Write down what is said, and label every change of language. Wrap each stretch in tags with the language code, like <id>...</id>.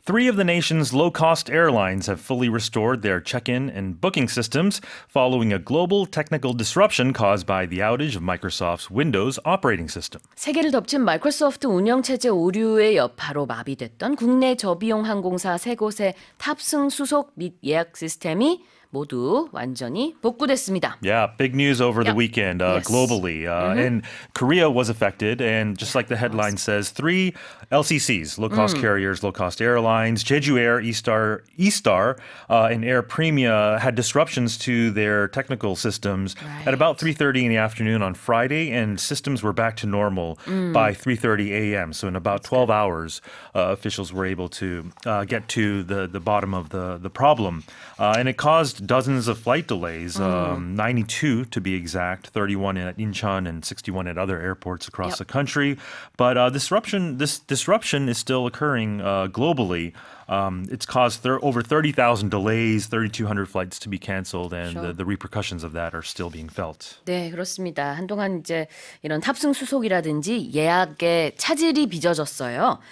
<en>Three of the nation's low-cost airlines have fully restored their check-in and booking systems following a global technical disruption caused by the outage of Microsoft's Windows operating system.</en> <ko>세계를 덮친 마이크로소프트 운영체제 오류의 여파로 마비됐던 국내 저비용 항공사 3곳의 탑승 수속 및 예약 시스템이 모두 완전히 복구됐습니다.</ko> <en>Yeah, big news over the weekend globally. And Korea was affected. And just like the headline says, three LCCs, low-cost carriers, low-cost airlines, Jeju Air, E-Star, and Air Premia had disruptions to their technical systems at about 3:30 in the afternoon on Friday, and systems were back to normal by 3:30 a.m. So in about 12 hours, officials were able to get to the bottom of the problem. And it caused dozens of flight delays, 92 to be exact, 31 at Incheon and 61 at other airports across the country. But this disruption is still occurring globally. It's caused over 30,000 delays, 3,200 flights to be canceled, and the repercussions of that are still being felt.</en> <ko>네, 그렇습니다. 한동안 이제 이런 탑승 수속이라든지 예약에 차질이 빚어졌어요.</ko>